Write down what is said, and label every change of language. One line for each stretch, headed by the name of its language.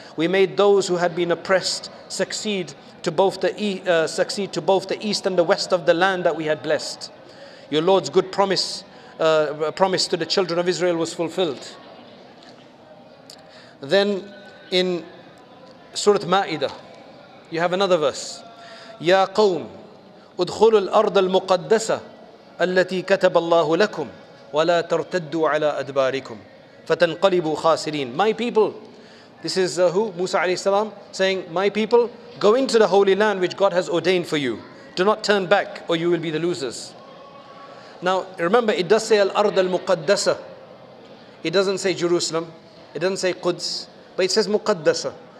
English: We made those who had been oppressed succeed to both the east and the west of the land that we had blessed. Your Lord's good promise to the children of Israel was fulfilled. Then in Surah Ma'idah, you have another verse.
Arabic: يَا قَوْمُ أُدْخُلُوا الْأَرْضَ الْمُقَدَّسَةَ الَّتِي كَتَبَ اللَّهُ لَكُمْ وَلَا تَرْتَدُّوا عَلَىٰ أَدْبَارِكُمْ فَتَنْقَلِبُوا خَاسِرِينَ.
English: My people, This is who? Musa alayhi salam saying, my people, go into the holy land which God has ordained for you. Do not turn back or you will be the losers. Now, remember, it does say al-ard al-muqaddasa. It doesn't say Jerusalem. It doesn't say Quds. But it says muqaddasa.